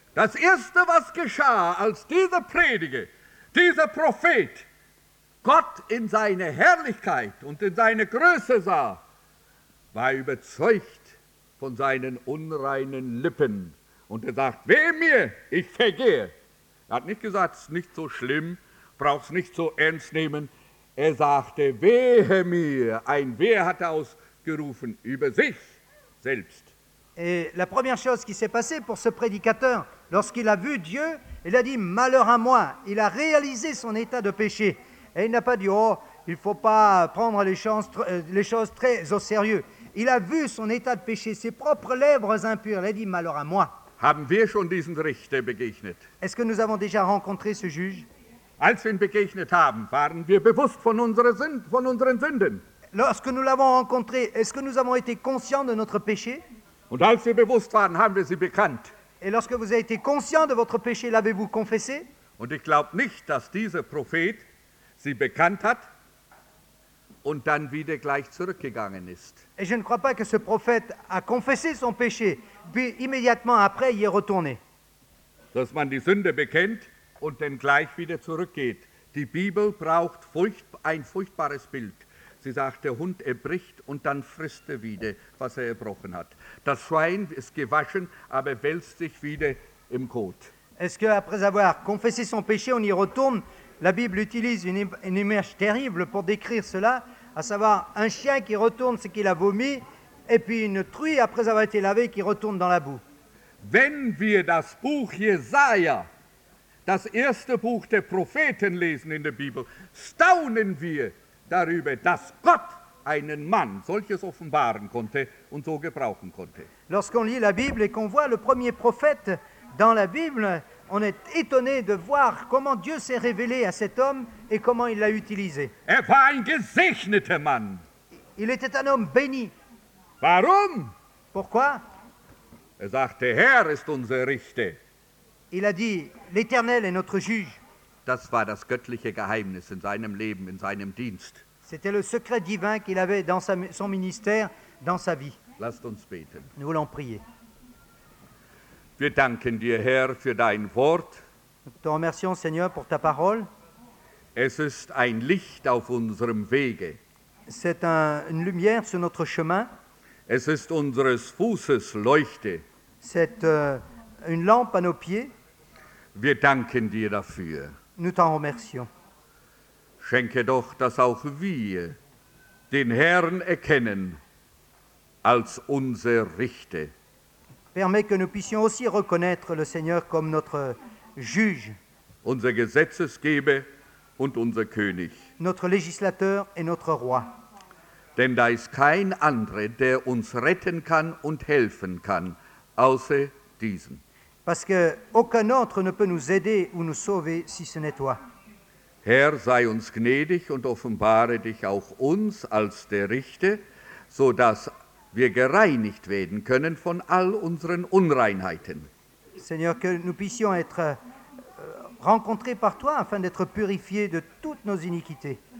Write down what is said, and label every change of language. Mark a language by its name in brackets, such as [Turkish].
[German] Das erste, was geschah, als dieser Prediger, dieser Prophet, Gott in seine Herrlichkeit und in seine Größe sah, war überzeugt von seinen unreinen Lippen. Und sagt, weh mir, ich vergehe. Hat nicht gesagt, es ist nicht so schlimm, brauchst nicht so ernst nehmen. Sagte, wehe mir, ein Wehe hat ausgerufen über sich selbst. [French] Et la première chose qui s'est passée pour ce prédicateur, lorsqu'il a vu Dieu, il a dit « Malheur à moi !» Il a réalisé son état de péché. Et il n'a pas dit « Oh, il ne faut pas prendre les choses très au sérieux. » Il a vu son état de péché, ses propres lèvres impures. Il a dit « Malheur à moi !» [German] Haben wir schon diesen Richter begegnet? [French] Est-ce que nous avons déjà rencontré ce juge? [German] Als wir ihn begegnet haben, waren wir bewusst von unseren Sünden. [French] Lorsque nous l'avons rencontré, est-ce que nous avons été conscients de notre péché? [German] Und als wir bewusst waren, haben wir sie bekannt. [French] Et lorsque vous avez été conscient de votre péché, l'avez-vous confessé? [German] Und ich glaube nicht, dass dieser Prophet sie bekannt hat und dann wieder gleich zurückgegangen ist. [French] Et je ne crois pas que ce prophète a confessé son péché, puis immédiatement après y est retourné. [German] Dass man die Sünde bekennt und dann gleich wieder zurückgeht. Die Bibel braucht ein furchtbares Bild. Sie sagt, der Hund erbricht und dann frisst er wieder, was er erbrochen hat. Das Schwein ist gewaschen, aber wälzt sich wieder im Kot. [French] Est-ce que après avoir confessé son péché, on y retourne? La Bible utilise une image terrible pour décrire cela, à savoir un chien qui retourne ce qu'il a vomi, et puis une truie après avoir été lavée qui retourne dans la boue. [German] Wenn wir das Buch Jesaja, das erste Buch der Propheten lesen in der Bibel, staunen wir darüber, dass Gott einen Mann solches offenbaren konnte und so gebrauchen konnte. [French] Lorsqu'on lit la Bible et qu'on voit le premier prophète dans la Bible, on est étonné de voir comment Dieu s'est révélé à cet homme et comment il l'a utilisé. [German] Er war ein gesegneter Mann. [French] Il était un homme béni. [German] Warum? [French] Pourquoi? [German] Sagte, Herr ist unser Richter. [French] Il a dit, l'Éternel est notre juge. [German] das war das göttliche Geheimnis in seinem Leben, in seinem Dienst. [French] C'était le secret divin qu'il avait dans son ministère, dans sa vie. [German] Lasst uns beten. [French] Nous voulons prier. [German] Wir danken dir, Herr, für dein Wort. [French] Nous te remercions, Seigneur, pour ta parole. [German] Es ist ein Licht auf unserem Wege. [French] C'est une lumière sur notre chemin. [German] Es ist unseres Fußes Leuchte. [French] C'est une lampe à nos pieds. [German] Wir danken dir dafür. [French] Nous t'en remercions. [German] Schenke doch, dass auch wir den Herrn erkennen als unser Richter. [French] Permet que nous puissions aussi reconnaître le Seigneur comme notre juge. [German] Unser Gesetzesgeber und unser König. [French] Notre législateur et notre roi. [German] Denn da ist kein andre, der uns retten kann und helfen kann, außer diesen. [French] Parce que aucun autre ne peut nous aider ou nous sauver si ce n'est toi. [German] Herr, sei uns gnädig und offenbare dich auch uns als der Richter, so dass wir gereinigt werden können von all unseren Unreinheiten. [French] Seigneur, que nous puissions être rencontrés par toi afin d'être purifiés de toutes nos iniquités.